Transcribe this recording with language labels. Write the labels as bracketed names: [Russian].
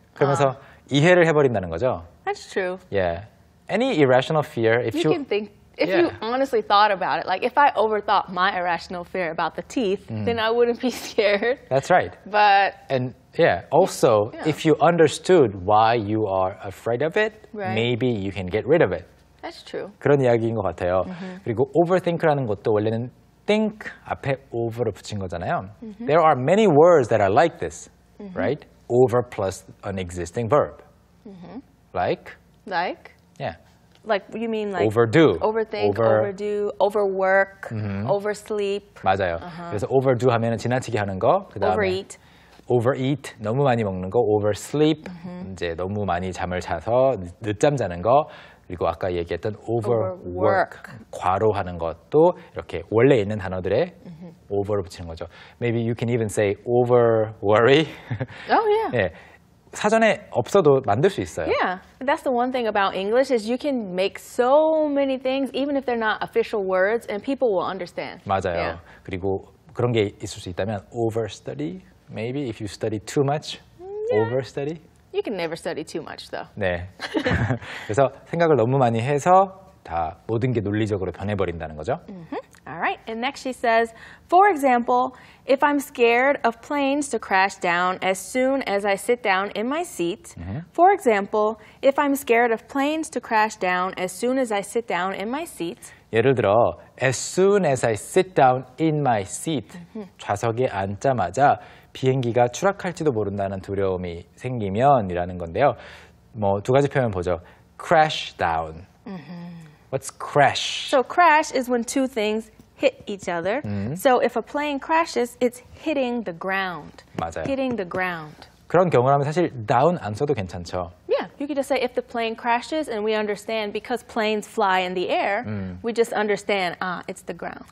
[Korean] 그러면서 이해를 해버린다는 거죠. [English] That's true. Yeah. Any irrational fear, if you... You can think, if yeah. you honestly thought about it, like if I overthought my irrational fear about the teeth, mm. then I wouldn't be scared. That's right. But... And Yeah, also, yeah. if you understood why you are afraid of it, right. maybe you can get rid of it. That's true. [Korean] 그런 이야기인 것 같아요. Mm-hmm. 그리고 overthink라는 것도 원래는 think 앞에 over를 붙인 거잖아요. Mm-hmm. [English] There are many words that are like this, mm-hmm. right? Over plus an existing verb. Mm-hmm. Like? Like? Yeah. Like, you mean like... Overdo. Overthink, overdo, overwork, mm-hmm. oversleep. 맞아요. Uh-huh. 그래서 overdo 하면 지나치게 하는 거. 그다음에 Overeat. Overeat, 너무 많이 먹는 거, oversleep, mm-hmm. 이제 너무 많이 잠을 자서 늦잠 자는 거, 그리고 아까 얘기했던 overwork, 과로하는 것도 이렇게 원래 있는 단어들에 mm-hmm. over를 붙이는 거죠. Maybe you can even say overworry. Oh, yeah. [Korean] 네. 사전에 없어도 만들 수 있어요. [English] Yeah, that's the one thing about English is you can make so many things, even if they're not official words, and people will understand. [Korean] 맞아요. Yeah. 그리고 그런 게 있을 수 있다면 overstudy. [English] Maybe if you study too much, yeah. overstudy. You can never study too much, though. [Korean] 네. 그래서 생각을 너무 많이 해서 다 모든 게 논리적으로 변해버린다는 거죠. [English] Mm-hmm. All right. And next she says, for example, if I'm scared of planes to crash down as soon as I sit down in my seat. Mm-hmm. For example, if I'm scared of planes to crash down as soon as I sit down in my seat. [Korean] 예를 들어, [English] as soon as I sit down in my seat. Mm-hmm. [Korean] 좌석에 앉자마자 비행기가 추락할지도 모른다는 두려움이 생기면이라는 건데요. 뭐 두 가지 표현 보죠. Crash down. Mm-hmm. [English] What's crash? So crash is when two things hit each other. Mm-hmm. So if a plane crashes, it's hitting the ground. [Korean] 맞아요. [English] Hitting the ground. [Korean] 그런 경우라면 사실 down 안 써도 괜찮죠. [English] Yeah, you could just say if the plane crashes and we understand because planes fly in the air, we just understand, it's the ground.